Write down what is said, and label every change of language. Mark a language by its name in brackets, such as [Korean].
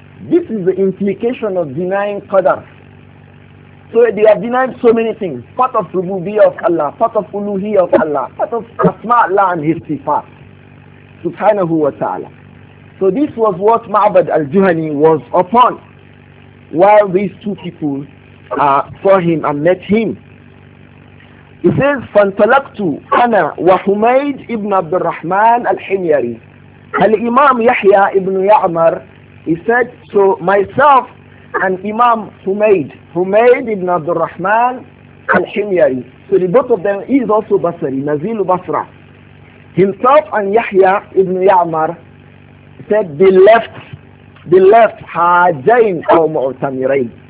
[English] This is the implication of denying Qadar. So they have denied so many things, part of rububiyyah of Allah, part of uluhiyyah of Allah, part of asma Allah and his sifat. Subhanahu wa ta'ala. So this was what Ma'bad al-Juhani was upon while these two people saw him and met him. He says, [Arabic] فَانْتَلَقْتُ أَنَا وَحُمَيْدِ إِبْنَ عَبْدِ الرَّحْمَنِ الْحِمْيَرِ الْإِمَامِ يَحْيَى إِبْنُ يَعْمَرِ. [English] He said, so myself and Imam Humayd ibn عبد الرحمن الحميري, so the both of them, he is also Basri, Nazil Basra. Himself and Yahya ibn Ya'mar said, they left Hajjain or Mu'tamirain.